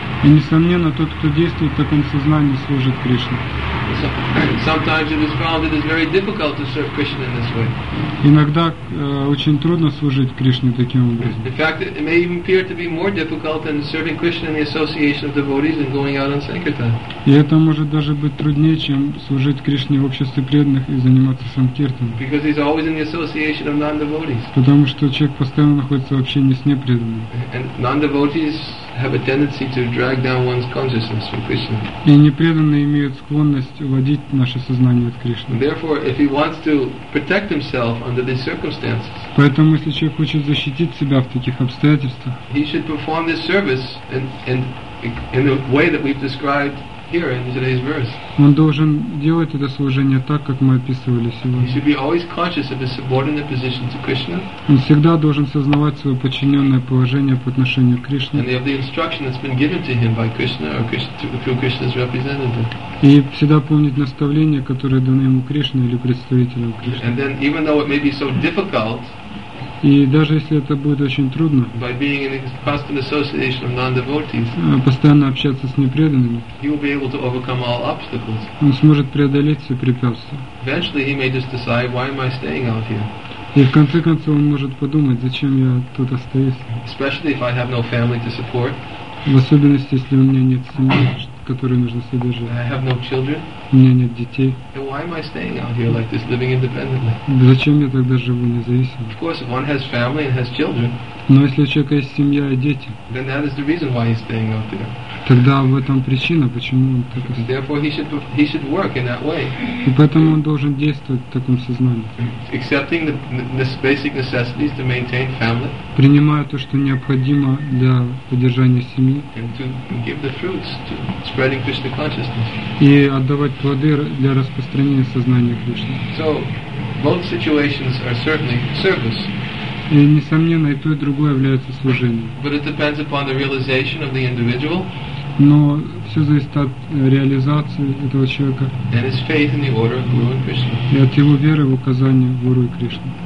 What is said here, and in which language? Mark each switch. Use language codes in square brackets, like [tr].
[ru] И несомненно, тот, кто действует в таком сознании, служит Кришне. [en] Sometimes it is found that it is very difficult to serve Krishna in this way. [ru] Иногда очень трудно служить Кришне таким образом. [en] In fact, it may even appear to be more difficult than serving Krishna in the association of devotees and going out on sankirtan. [ru] И это может даже быть труднее, чем служить Кришне в обществе преданных и заниматься санкиртаном. [en] Because he's always in the association of non-devotees. [ru] Потому что человек постоянно находится в общении с непреданными. [en] And non-devotees have a tendency to drag down one's consciousness from Krishna. [ru] И непреданные имеют склонность уводить наше сознание от Кришны. [en] Therefore, if he wants to protect himself under these circumstances, [ru] поэтому если человек хочет защитить себя в таких обстоятельствах, [en] he should perform this service in the way that we've described here in today's verse. [ru] Он должен делать это служение так, как мы описывали сегодня. [en] He should be always conscious of his subordinate position to Krishna. [ru] Он всегда должен сознавать свое подчиненное положение по отношению к Кришне. [en] And of the instruction that's been given to him by Krishna or through Krishna's representative. [ru] И всегда помнить наставления, которые даны ему Кришне или представителям Кришны. [en] And then, even though it may be so difficult, [ru] и даже если это будет очень трудно, [en] by being in constant association of non-devotees, [ru] постоянно общаться с непреданными, [en] he will be able to overcome all obstacles. [ru] Он сможет преодолеть все препятствия. [en] Eventually he may just decide, why am I staying out here? [ru] И в конце концов он может подумать, зачем я тут остаюсь. [en] Especially if I have no family to support. [ru] В особенности, если у меня нет семьи, которые нужно содержать. [en] I have no children. [ru] У меня нет детей. [en] Then why am I staying out here like this, living independently? [ru] Зачем я тогда живу независимо? [en] Of course, if one has family and has children. [ru] Но если у человека есть семья и дети, [en] then that is the reason why he's staying out there. [ru] Тогда в этом причина, почему он так. [en] Therefore, he should work in that way. [ru] И поэтому он должен действовать в таком сознании. [en] Accepting the basic necessities to maintain family. [ru] Принимая то, что необходимо для поддержания семьи. [en] And to give the fruits to spreading Krishna consciousness. [ru] И отдавать плоды для распространения сознания Кришны. [en] So, both situations are certainly service. [ru] И несомненно, и то, и другое является служением. [en] But it depends upon the realization of the individual. [ru] Но все зависит от реализации этого человека. [en] And his faith in the order of Guru and Krishna. [ru] И от его веры в указание Гуру и Кришны.